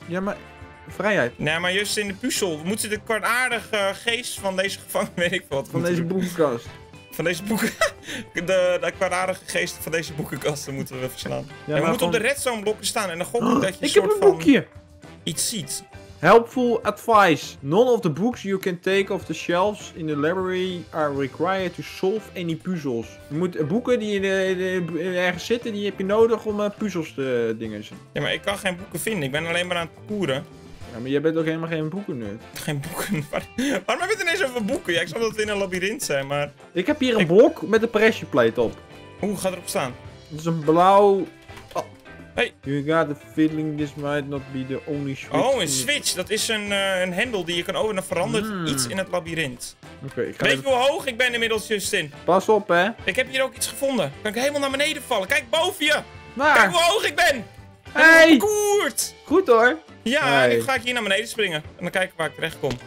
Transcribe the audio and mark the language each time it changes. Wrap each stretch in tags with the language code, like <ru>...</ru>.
<nl>Ja, maar vrijheid. Nee, maar Justin, de puzzel. We moeten de kwaadaardige geest van deze gevangenis, weet ik wat. Van deze boekenkast. Van deze boekenkast. De kwaadaardige geest van deze boekenkast moeten we verslaan. Ja, we moeten op de redstone blokken staan en dan gok ik dat je een soort van... Ik heb een boekje. Iets ziet.</nl> <en>Helpful advice. None of the books you can take off the shelves in the library are required to solve any puzzles.</en> <nl>Je moet boeken die ergens zitten, die heb je nodig om puzzels te dingen. Ja, maar ik kan geen boeken vinden. Ik ben alleen maar aan het koeren. Ja, maar jij bent ook helemaal geen boekennerd. Geen boeken? Waarom heb je het ineens over boeken? Ja, ik snap dat we in een labyrinth zijn, maar... Ik heb hier een blok met een pressure plate op. Hoe gaat erop staan? Het is een blauw... Hey.</nl> <en>You got the feeling this might not be the only switch.</en> <nl>Oh, een switch. Dat is een hendel die je kan openen. Dat verandert iets in het labyrint. Oké, weet je hoe hoog ik ben inmiddels, Justin? Pas op, hè. Ik heb hier ook iets gevonden. Kan ik helemaal naar beneden vallen? Kijk, boven je. Waar? Kijk hoe hoog ik ben. Hey. Koert. Goed, hoor. Ja, hey. Nu ga ik hier naar beneden springen. En dan kijken waar ik terecht kom.</nl>